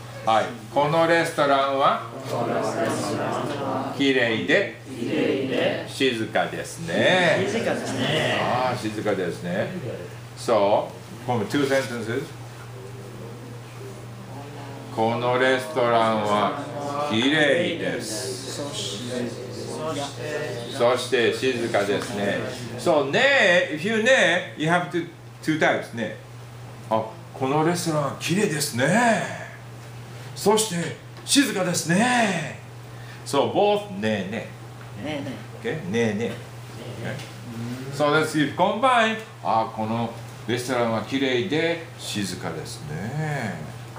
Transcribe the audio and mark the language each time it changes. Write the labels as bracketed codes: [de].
[ja] はい、このレストランはきれいで静かですね。静かですね。 [en] So, from two sentences. [ja] このレストランはきれいです。そして静かですね。 [en] So, ね、if you ね, you have to two types, ね。 [ja] あ、このレストランきれいですね。そして静かですね。 [en] So, both [ja] ね, ね。ね, ね。 [en] Okay? ね, ね。 ね, ね。So, let's see if combined. [ja] あ、このレストランはきれいで静かですね。